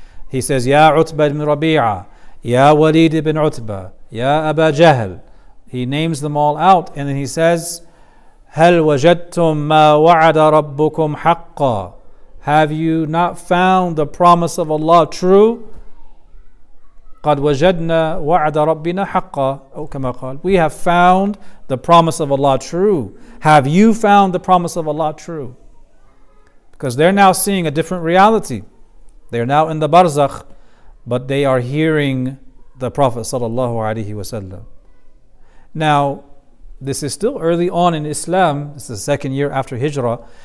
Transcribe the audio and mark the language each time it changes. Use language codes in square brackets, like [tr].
[en] He says, Ya Utba ibn Rabi'a, Ya Walid ibn Utba, Ya Aba Jahl. He names them all out, and then he says, [ar] Hal wajadtum ma wa'ada rabbukum haqqa? [en] Have you not found the promise of Allah true? [ar] قَدْ وَجَدْنَا وَعْدَ رَبِّنَا حَقَّ أو كما قال. [en] We have found the promise of Allah true. Have you found the promise of Allah true? Because they're now seeing a different reality. They're now in the barzakh, but they are hearing the Prophet sallallahu alaihi wasallam. Now, this is still early on in Islam. This is the second year after Hijrah.